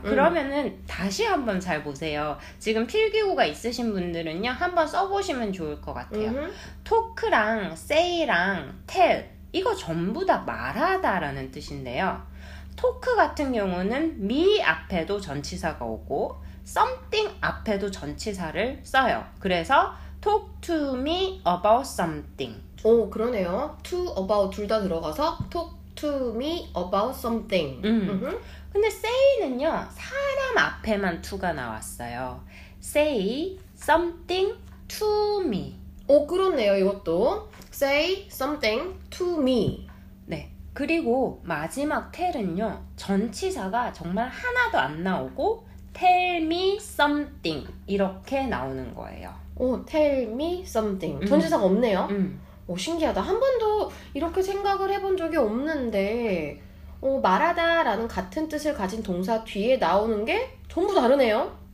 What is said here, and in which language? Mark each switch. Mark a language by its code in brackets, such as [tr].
[ko] 그러면은 다시 한번 잘 보세요. 지금 필기구가 있으신 분들은요. 한번 써 보시면 좋을 것 같아요. 토크랑 세이랑 텔. 이거 전부 다 말하다라는 뜻인데요. 토크 같은 경우는 me 앞에도 전치사가 오고 something 앞에도 전치사를 써요. 그래서 [en] talk to me about something. [ko] 오, 그러네요. [en] to, about [ko] 둘 다 들어가서 [en] talk to me about something. [ko] 근데 say는요, 사람 앞에만 to가 나왔어요. [en] say something to me. [ko] 오, 그렇네요. 이것도 [en] say something to me. [ko] 그리고 마지막 tell은요, 전치사가 정말 하나도 안 나오고 [en] tell me something [ko] 이렇게 나오는 거예요. 오, [en] tell me something. [ko] 전치사가 없네요. 오, 신기하다. 한 번도 이렇게 생각을 해본 적이 없는데 말하다 라는 같은 뜻을 가진 동사 뒤에 나오는 게 전부 다르네요.